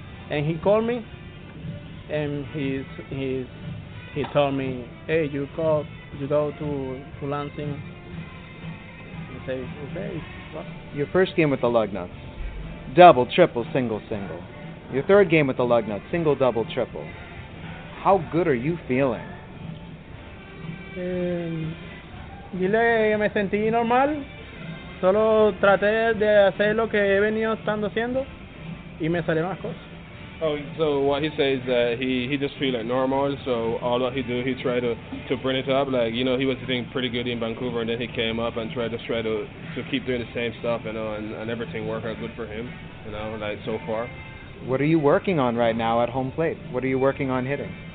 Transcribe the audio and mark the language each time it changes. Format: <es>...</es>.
<en>And he called me, and he told me, hey, you go to Lansing. He say, okay. What? Your first game with the Lugnuts, double, triple, single, single. Your third game with the Lugnuts, single, double, triple. How good are you feeling?</en> <es>Dile que me sentí normal, solo traté de hacer lo que he venido estando haciendo y me salieron las cosas.</es> <en>So what he says that he just feel like normal. So all that he do, he try to bring it up. Like, you know, he was doing pretty good in Vancouver, and then he came up and tried to keep doing the same stuff, you know, and everything worked out good for him, you know, like so far. What are you working on right now at home plate? What are you working on hitting?</en>